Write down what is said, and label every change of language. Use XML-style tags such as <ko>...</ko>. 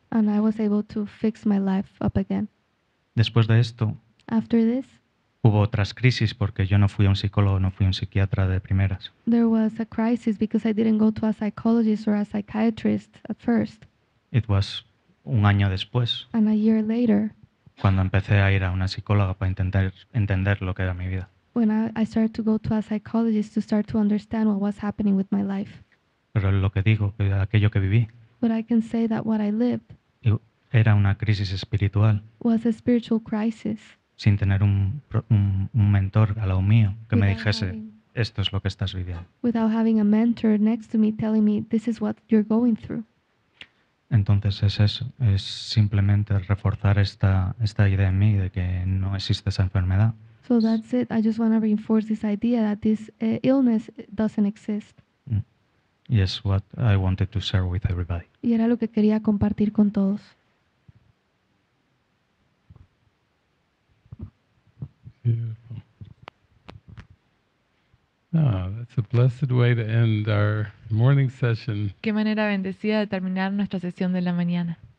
<en>And I was able to fix my life up again.</en> <es>Después de esto.</es> <en>After this.</en> <es>Hubo otras crisis porque yo no fui a un psicólogo, no fui a un psiquiatra de primeras.</es> <en>There was a crisis because I didn't go to a psychologist or a psychiatrist at first. It was</en> <es>un año después.</es> <en>And a year later.</en> <es>Cuando empecé a ir a una psicóloga para intentar entender lo que era mi vida.</es> <en>When I started to go to a psychologist to start to understand what was happening with my life.</en> <es>Pero lo que digo, aquello que viví.</es> <en>But I can say that what I lived.</en> <es>Era una crisis espiritual.</es> <en>Was a spiritual crisis.</en> <es>Sin tener un mentor al lado mío que me dijese, esto es lo que estás viviendo.</es> <en>Without having a mentor next to me telling me, this is what you're going through.</en> <es>Entonces es eso, es simplemente reforzar esta idea en mí de que no existe esa enfermedad.</es> <en>So that's it, I just want to reinforce this idea that this illness doesn't exist. Yes, what I wanted to share with everybody.</en> <es>Y era lo que quería compartir con todos.</es> <en>Beautiful. Oh, that's a blessed way to end our morning session.</en> <es>Qué manera bendecida de terminar nuestra sesión de la mañana.</es>